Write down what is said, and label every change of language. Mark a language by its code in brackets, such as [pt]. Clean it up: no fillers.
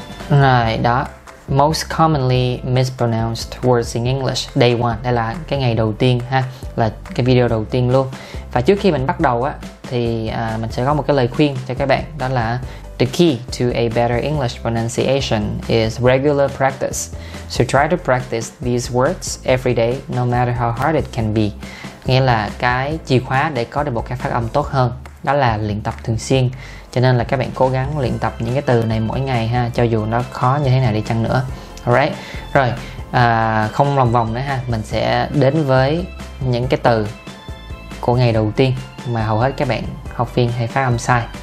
[vi] Rồi đó, [en] most commonly mispronounced words in English day 1, [vi] đây là cái ngày đầu tiên ha, là cái video đầu tiên luôn. Và trước khi mình bắt đầu á thì mình sẽ có một cái lời khuyên cho các bạn, đó là [en] the key to a better English pronunciation is regular practice. So try to practice these words every day no matter how hard it can be. [vi] Nghĩa là cái chìa khóa để có được một cái phát âm tốt hơn đó là luyện tập thường xuyên. Cho nên là các bạn cố gắng luyện tập những cái từ này mỗi ngày ha, cho dù nó khó như thế nào đi chăng nữa. Alright. Rồi, không lòng vòng nữa ha, mình sẽ đến với những cái từ của ngày đầu tiên mà hầu hết các bạn học viên hay phát âm sai.